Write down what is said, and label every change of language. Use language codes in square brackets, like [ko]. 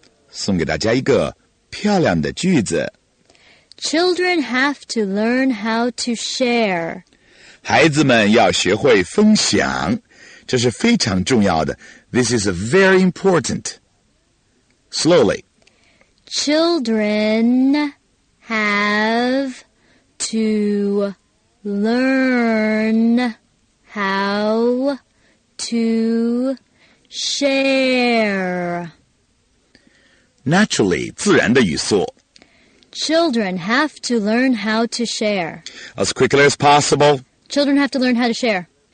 [zh] 送给大家一个漂亮的句子。 [en] Children have to learn how to share. [zh] 孩子们要学会分享，这是非常重要的。 [en] This is very important. Slowly. Children have to learn how to share. Naturally, [zh] 自然的语速。 [en] Children have to learn how to share. As quickly as possible. Children have to learn how to share.